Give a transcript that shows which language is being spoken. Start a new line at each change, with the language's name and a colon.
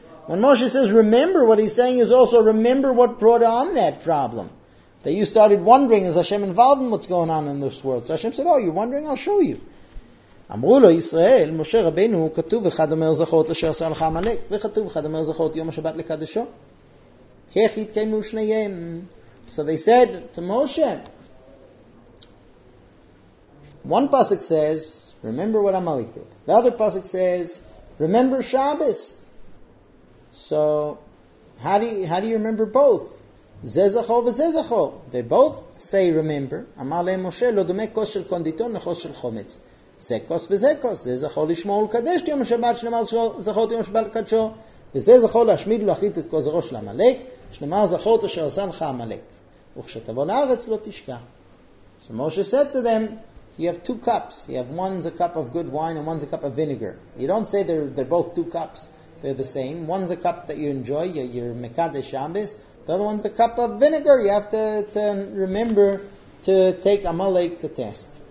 English: When Moshe says remember, what he's saying is also remember what brought on that problem. That you started wondering, is Hashem involved in what's going on in this world? So Hashem said, oh, you're wondering? I'll show you.
Hebrew: אמרו לו ישראל, משה רבנו, כתוב אחד אומר זכות אשר עשה לך עמלק, וכתוב אחד אומר זכות יום השבת לקדשו. איך התקיימו שניהם?
English: So they said to Moshe, one pasuk says, remember what Amalek did. The other pasuk says, remember Shabbos. So, how do you remember both?
Hebrew: Zezacho v'zezacho.
English: They both say remember.
Hebrew: אמר להם משה, לא דומה כוס של קונדיטון לכוס של חומץ. זה כוס וזה כוס. זה זכור לשמור ולקדש את יום השבת, שנאמר זכור את יום השבת לקדשו. וזה זכור להשמיד ולהחליט את כוס הראש לעמלק, שנאמר זכור את אשר עשה לך עמלק. וכשתבוא לארץ לא תשכח.
English: So Moshe said to them, you have two cups. You have one is a cup of good wine and one is a cup of vinegar. You don't say they're both two cups. They're the same. One is a cup that you enjoy, your mekadesh Shabbos. The other one is a cup of vinegar. You have to remember to take Amalek to test.